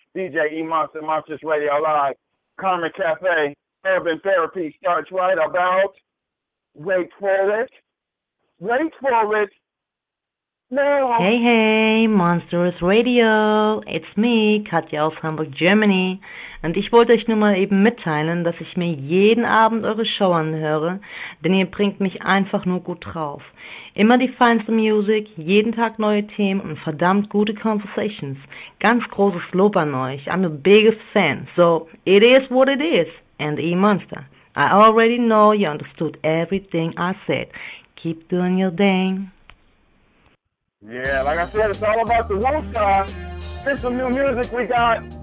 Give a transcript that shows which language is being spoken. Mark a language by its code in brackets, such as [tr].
[en] DJ E-Monster, Monsters Radio Live, Karma Cafe, Urban Therapy starts right about. Wait for it. No. Hey, Monsters Radio, it's me, Katja aus Hamburg, Germany. [de] Und ich wollte euch nur mal eben mitteilen, dass ich mir jeden Abend eure Show anhöre, denn ihr bringt mich einfach nur gut drauf. Immer die feinste Music, jeden Tag neue Themen und verdammt gute Conversations. Ganz großes Lob an euch, [en] I'm the biggest fan. So, it is what it is, and E-Monster, I already know you understood everything I said. Keep doing your thing. Yeah, like I said, it's all about the Wu-Tang. Here's some new music we got.